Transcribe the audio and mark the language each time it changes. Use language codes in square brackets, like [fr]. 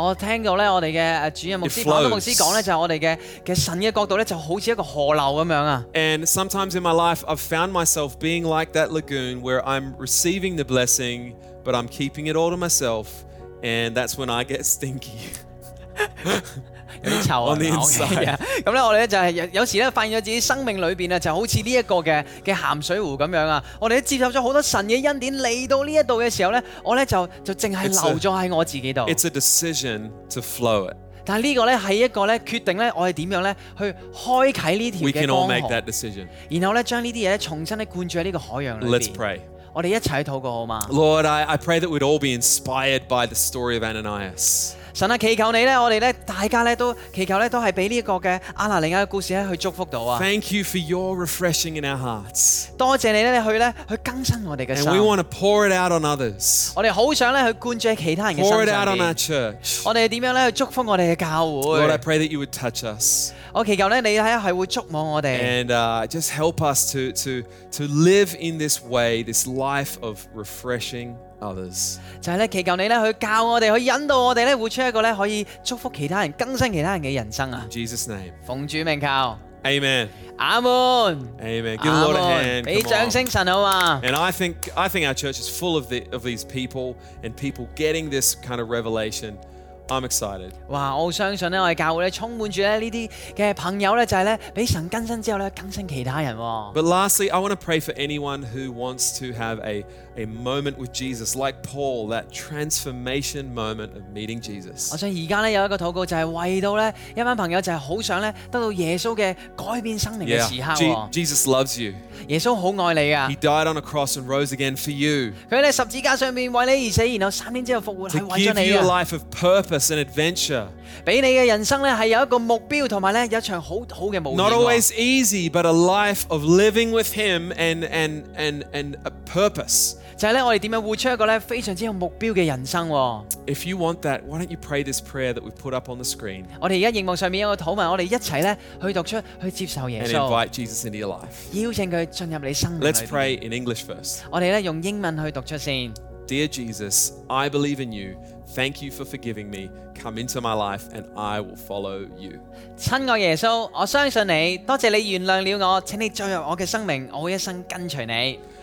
[yue] 我聽到咧我哋嘅主任牧師講，牧師講咧就係我哋嘅神嘅角度咧就好似一個河流咁樣啊。 [en] And sometimes in my life, I've found myself being like that lagoon where I'm receiving the blessing. But I'm keeping it all to myself, and that's when I get stinky. [yue] 有啲臭啊 [en] ！On the inside， [yue] 咁咧，我哋咧就係有時咧，發現咗自己生命裏邊啊，就好似呢一個嘅鹹水湖咁樣啊。我哋接受咗好多神嘅恩典嚟到呢一度嘅時候咧，我咧就淨係留咗喺我自己度。 [en] It's a decision to flow it. [yue] 但係呢個咧係一個咧決定咧，我哋點樣咧去開啟呢條嘅江河。 [en] We can all make that decision. [yue] 然後咧將呢啲嘢重新咧灌注喺呢個海洋裏 [en] 邊。Let's pray. [yue] 我哋一齐祷告好吗 [en] ？Lord, I pray that we'd all be inspired by the story of Ananias. [yue] 神啊，祈求你咧，我哋咧，大家咧都祈求咧，都系俾呢一个嘅亚拿尼亚嘅故事咧去祝福到啊 [en] ！Thank you for your refreshing in our hearts. [yue] 多谢你咧，去更新我哋嘅心。 [en] And we want to pour it out on others. [yue] 我哋好想咧去灌注喺其他人嘅身上。 [en] Pour it out on our church. [yue] 我哋点样咧去祝福我哋嘅教会 [en] ？Lord, I pray that you would touch us. [yue] 我祈求咧，你咧系会触摸我哋。 [en] And just help us to live in this way, this life of refreshing others. [yue] 就系咧，祈求你咧去教我哋，去引导我哋咧，活出一个咧可以祝福其他人、更新其他人嘅人生啊。 [en] In Jesus' name. [yue] 奉主名靠。 [en] Amen. Amen. Amen. Give the Lord a hand. [yue] 俾掌声神好嘛。 [en] And I think our church is full of these people and people getting this kind of revelation. I'm excited. [yue] 哇！我相信咧，我哋教会咧充满住咧呢啲嘅朋友咧，就系咧俾神更新之后咧，更新其他人。 [en] But lastly, I want to pray for anyone who wants to have a moment with Jesus, like Paul, that transformation moment of meeting Jesus. [yue] 我想而家咧有一个祷告，就系为到咧一班朋友就系好想咧得到耶稣嘅改变生命嘅时刻。 [en] Jesus loves you. [yue] 耶稣好爱你噶。 [en] He died on a cross and rose again for you. [yue] 佢喺十字架上面为你而死，然后三天之后复活，系为咗你。 [en] To give you a life of purpose. An adventure. [yue] 俾你嘅人生咧系有一个目标，同埋咧有一场好好嘅冒险。 [en] Not always easy, but a life of living with Him and a purpose. [yue] 就系咧，我哋点样活出一个咧非常之有目标嘅人生 [en] ？If you want that, why don't you pray this prayer that we've put up on the screen? [yue] 我哋而家荧幕上面有个祷文，我哋一齐咧去读出去接受耶稣。 [en] And invite Jesus into your life. [yue] 邀请佢进入你生命。 [en] Let's pray in English first. [yue] 我哋咧用英文去读出先。 [en] Dear Jesus, I believe in you. Thank you for forgiving me. Come into my life, and I will follow you. [yue] 亲爱耶稣，我相信你，多谢你原谅了我，请你进入我嘅生命，我会一生跟随你。